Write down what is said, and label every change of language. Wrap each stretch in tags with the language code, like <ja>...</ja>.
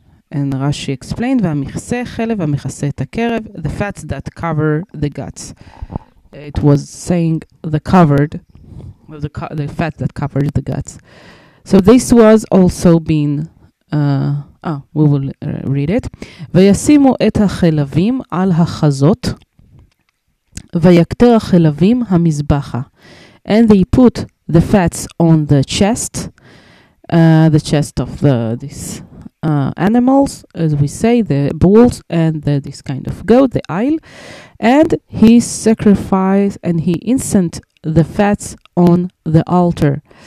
<en>And Rashi explained,</en> <he>והמכסה חלב, המכסה את הקרב,</he> <en>the fats that cover the guts. It was saying the fat that covers the guts. So this was also being, we will read it.</en> <he>וישימו את החלבים על החזות, ויקטר החלבים המזבחה.</he> <en>And they put the fats on the chest of this animals, as we say, the bulls and this kind of goat, the isle, and he sacrificed and he incensed the fats on the altar.</en>